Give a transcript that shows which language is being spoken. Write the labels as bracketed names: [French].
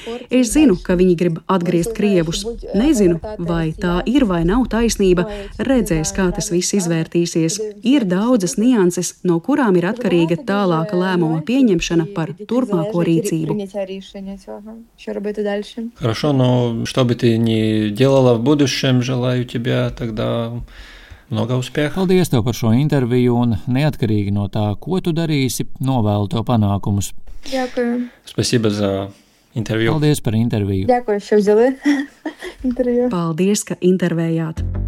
[Latvian] Es zinu, ka viņi grib atgriezt krievus. Nezinu, vai tā ir vai nav taisnība. Redzēs, kā tas viss izvērtīsies. Ir daudzas nianses, no kurām ir atkarīga tālāka lēmuma pieņemšana par turpmāko rīcību. [Russian] Хорошо, но чтобы ты не делала в будущем, желаю тебе тогда много успехов. [Latvian] Paldies tev par šo interviju un neatkarīgi no tā, ko tu darīsi, novēlu tev panākumus. [Ukrainian] Дякую. [Russian] Спасибо за интервью. [Latvian] Paldies par interviju. [Ukrainian] Дякую, що взяли інтерв'ю. [Latvian] Paldies, ka intervējāt.